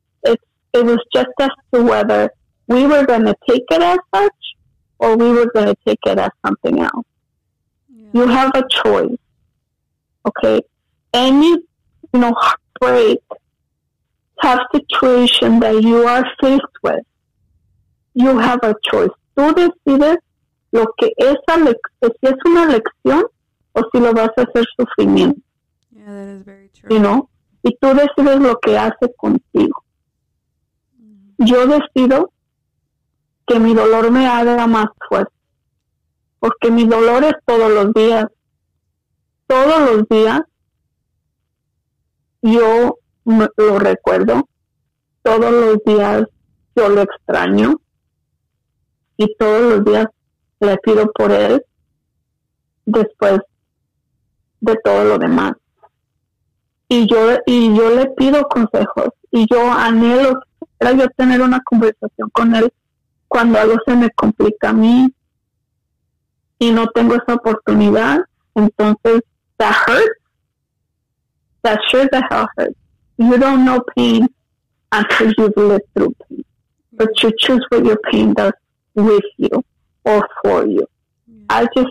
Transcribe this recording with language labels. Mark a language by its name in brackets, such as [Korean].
[English] It was just as to whether we were going to take it as such or we were going to take it as something else. Yeah. You have a choice. Okay, any, you know, heartbreak, tough situation that you are faced with, you have a choice. [Spanish] Tú decides lo que esa si es una lección o si lo vas a hacer sufrimiento. [English] Yeah, that is very true. You know, [Spanish] y tú decides lo que hace contigo. Yo decido que mi dolor me haga más fuerte, porque mi dolor es todos los días. Todos los días yo lo recuerdo. Todos los días yo lo extraño. Y todos los días le pido por él después de todo lo demás. Y yo le pido consejos. Y yo anhelo era yo tener una conversación con él cuando algo se me complica a mí y no tengo esa oportunidad. Entonces, [English] that hurts, that sure the hell hurts. You don't know pain until you've lived through pain. But you choose what your pain does with you or for you. Yeah.